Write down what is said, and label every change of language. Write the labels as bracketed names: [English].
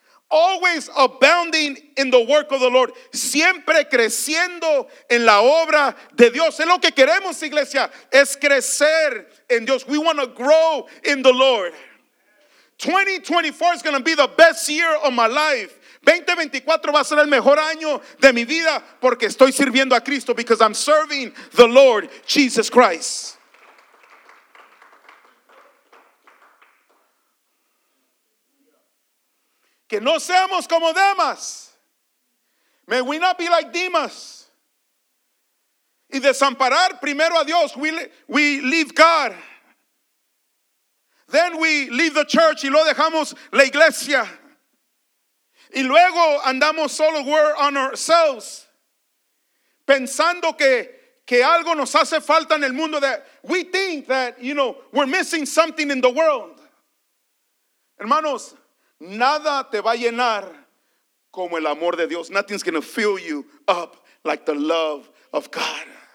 [English] Always abounding in the work of the Lord. [Spanish] Siempre creciendo en la obra de Dios. Es lo que queremos, iglesia, es crecer en Dios. [English] We want to grow in the Lord. 2024 is going to be the best year of my life. [Spanish] 2024 va a ser el mejor año de mi vida porque estoy sirviendo a Cristo. [English] Because I'm serving the Lord Jesus Christ. [Spanish] Que no seamos como Demas. May we not be like Demas. Y desamparar primero a Dios. We leave God. Then we leave the church y lo dejamos la iglesia. Y luego andamos solo, we're on ourselves. Pensando que algo nos hace falta en el mundo. [English] That we think that, you know, we're missing something in the world. [Spanish] Hermanos, nada te va a llenar como el amor de Dios. [English] Nothing's going to fill you up like the love of God.